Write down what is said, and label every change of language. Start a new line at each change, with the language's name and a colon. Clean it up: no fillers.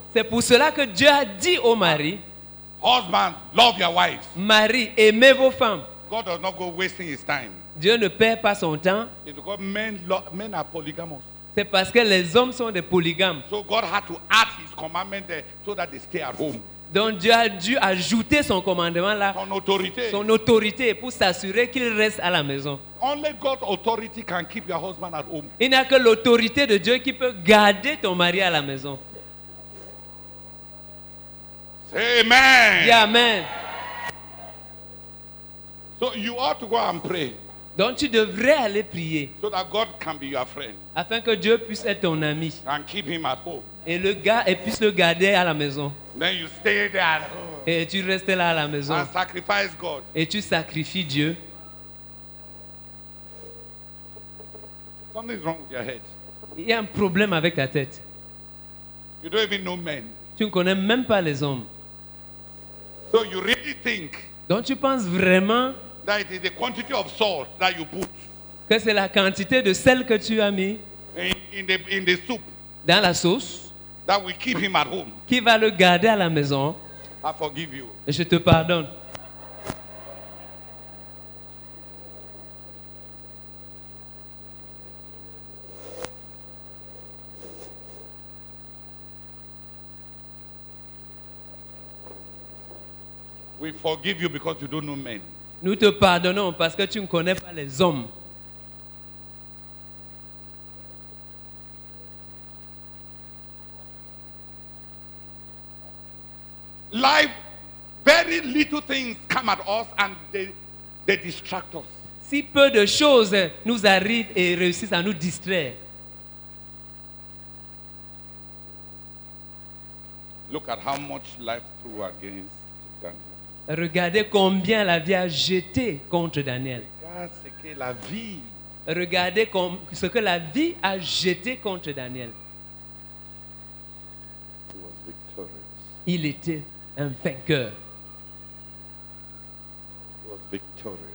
French: C'est pour cela que Dieu a dit aux maris.
English: Husbands, love your wives.
French: Marie, aimez vos femmes.
English: God does not go wasting his time.
French: Dieu ne perd pas son temps.
English: It's because men are polygamous.
French: C'est parce que les hommes sont des polygames.
English: So God had to add his commandment there so that they stay at home.
French: Donc Dieu a dû ajouter son commandement là, son autorité pour s'assurer qu'il reste à la maison.
English: Only God's authority can keep your husband at home.
French: Il n'y a que l'autorité de Dieu qui peut garder ton mari à la maison.
English: Say amen.
French: Dis amen.
English: So you ought to go and pray.
French: Donc tu devrais aller prier.
English: So that God can be your friend.
French: Afin que Dieu puisse être ton ami.
English: And keep him at home.
French: Et le gars et puisse le garder à la maison.
English: Then you stay there at home.
French: Et tu restes là à la maison.
English: And sacrifice God.
French: Et tu sacrifies Dieu.
English: Something's wrong with your head.
French: Il y a un problème avec ta tête.
English: You don't even know men.
French: Tu ne connais même pas les hommes.
English: So you really think?
French: Donc tu penses vraiment?
English: That it is the quantity of salt that you put.
French: Que c'est la quantité de sel que tu as mis?
English: In the soup.
French: Dans la sauce.
English: That we keep him at home.
French: Qui va le garder à la maison?
English: I forgive you.
French: Je te pardonne.
English: We forgive you because you don't know men.
French: Nous te pardonnons parce que tu ne connais pas les hommes.
English: Life, very little things come at us and they distract us.
French: Si peu de choses nous arrivent et réussissent à nous distraire.
English: Look at how much life threw against Daniel.
French: Regardez combien la vie a jeté contre Daniel. Regarde ce que la vie. Regardez ce que la vie a jeté contre Daniel.
English: He was victorious.
French: Il était un vainqueur.
English: He was victorious.